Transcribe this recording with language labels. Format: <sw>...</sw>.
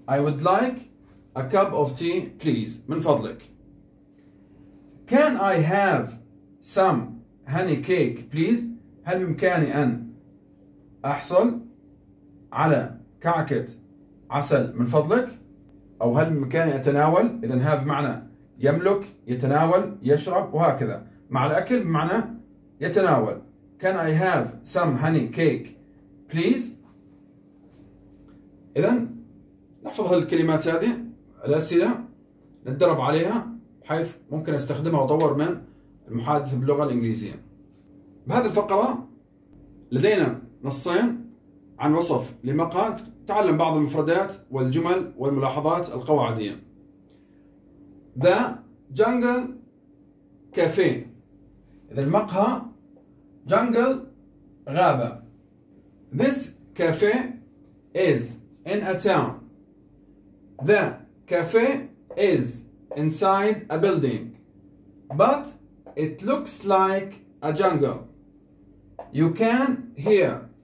<en>I would like a cup of tea please</en> <ar>من فضلك.</ar> <en>Can I have some honey cake please؟</en> <ar>هل بإمكاني أن أحصل على كعكة عسل من فضلك؟ أو هل بإمكاني أتناول؟ إذن هذا معنى يملك، يتناول، يشرب، وهكذا مع الأكل بمعنى يتناول.</ar> <en>Can I have some honey cake please؟</en> <ar>إذن نحفظ الكلمات هذه الأسئلة نتدرب عليها بحيث ممكن استخدمها وطور من المحادثة باللغة الإنجليزية. بهذه الفقرة لدينا نصين عن وصف لمقهى، تعلم بعض المفردات والجمل والملاحظات القواعدية. The Jungle Cafe، إذا المقهى Jungle غابة.</ar> <en>This cafe is in a town. The cafe is inside a building, but it looks like a jungle. You can hear</en>